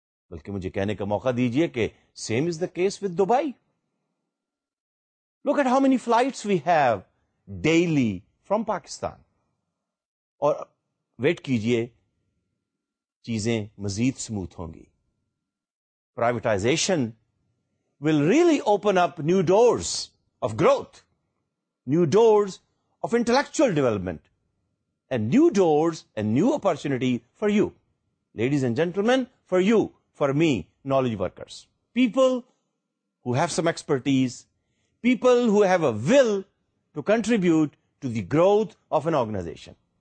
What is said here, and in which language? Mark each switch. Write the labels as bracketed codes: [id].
[ur] بلکہ مجھے کہنے کا موقع دیجئے کہ [en] same is the case with Dubai. Look at how many flights we have daily from Pakistan. [ur] اور wait کیجئے, چیزیں مزید smooth ہوں گی. [en] Privatization will really open up new doors of growth. New doors of intellectual development and new doors and new opportunity for you, ladies and gentlemen, for you, for me, knowledge workers, people who have some expertise, people who have a will to contribute to the growth of an organization.